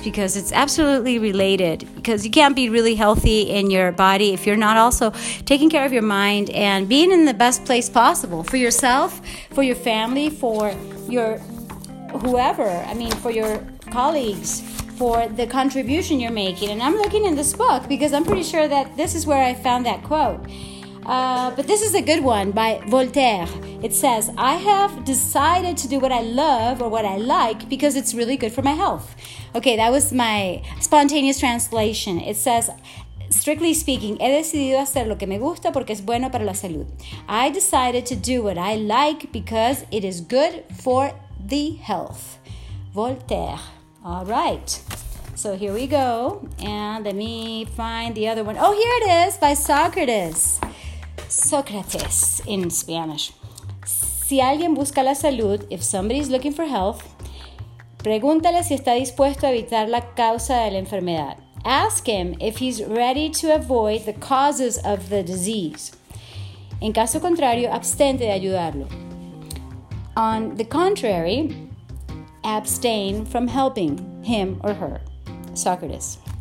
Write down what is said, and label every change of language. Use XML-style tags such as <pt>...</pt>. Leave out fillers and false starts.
<en>Because it's absolutely related. Because you can't be really healthy in your body if you're not also taking care of your mind and being in the best place possible for yourself, for your family, for your whoever, I mean, for your colleagues, for the contribution you're making. And I'm looking in this book because I'm pretty sure that this is where I found that quote. But this is a good one by Voltaire. It says, I have decided to do what I love or what I like because it's really good for my health. Okay, that was my spontaneous translation. It says, strictly speaking,</en> <es>he decidido hacer lo que me gusta porque es bueno para la salud.</es> <en>I decided to do what I like because it is good for the health. Voltaire. All right. So here we go. And let me find the other one. Oh, here it is by Socrates. Socrates in Spanish.</en> <es>Si alguien busca la salud,</es> <en>if somebody is looking for health,</en> <es>pregúntale si está dispuesto a evitar la causa de la enfermedad.</es> <en>Ask him if he's ready to avoid the causes of the disease.</en> <es>En caso contrario, abstente de ayudarlo.</es> <en>On the contrary, abstain from helping him or her. Socrates.</en>